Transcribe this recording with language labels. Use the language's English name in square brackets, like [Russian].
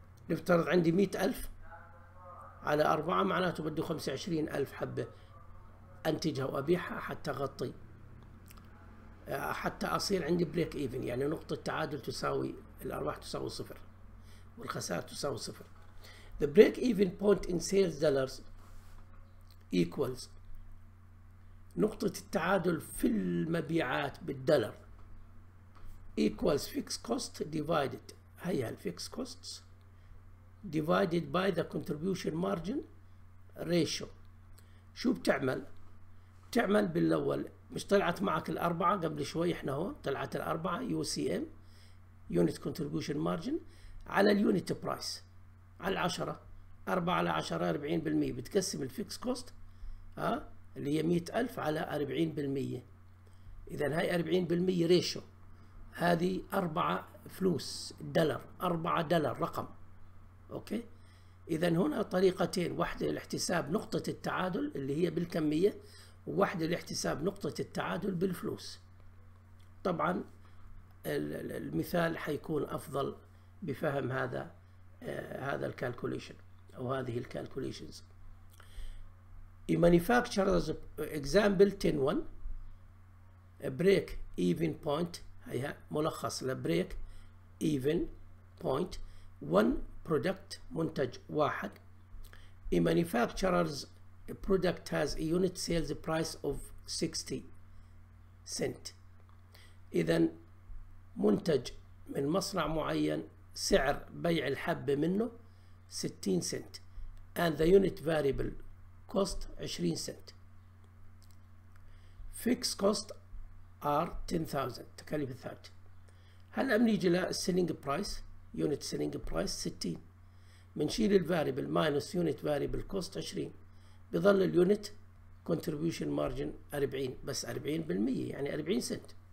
[Arabic] نفترض عندي 100,000 على 4، معناته بده 25,000 حبة أنتجها وأبيعها حتى أغطي، حتى أصير عندي بريك إيفن، يعني نقطة تعادل تساوي الأرباح تساوي صفر والخسائر تساوي صفر. [English] The break even point in sales dollars equals [Arabic] نقطة التعادل في المبيعات بالدولار [English] equals fixed cost divided، [Arabic] هي الفيكس كوستس [English] divided by the contribution margin ratio. [Arabic] شو بتعمل؟ بتعمل بالأول، مش طلعت معك الأربعة قبل شوي، احنا هون طلعت الأربعة UCM unit contribution margin على اليونت برايس على 10، 4 على 10 40%، بتقسم الفيكس كوست اللي هي 100,000 على 40%، اذا هاي 40% ريشو، هذه 4 فلوس دولار، 4 دولار رقم، اوكي. اذا هنا طريقتين، واحده لاحتساب نقطه التعادل اللي هي بالكميه، وواحده لاحتساب نقطه التعادل بالفلوس. طبعا المثال حيكون افضل بفهم هذا الكالكوليشن او هذه الكالكوليشنز. [English] A manufacturer's example 10-1 break even point، [Arabic] هي ملخص لبريك [English] even point، one product [Arabic] منتج واحد. [English] A manufacturer's product has a unit sales price of 60 cent، [Arabic] اذا منتج من مصنع معين سعر بيع الحبة منه 60 سنت، [English] and the unit variable cost 20 cent. Fixed cost are 10,000، [Arabic] تكاليف الثابتة. هلا بنيجي للسيلينج برايس، unit selling price 60، بنشيل الفاريبل [English] minus unit variable cost 20، [Arabic] بظل اليونت contribution margin 40، بس 40% يعني 40 سنت.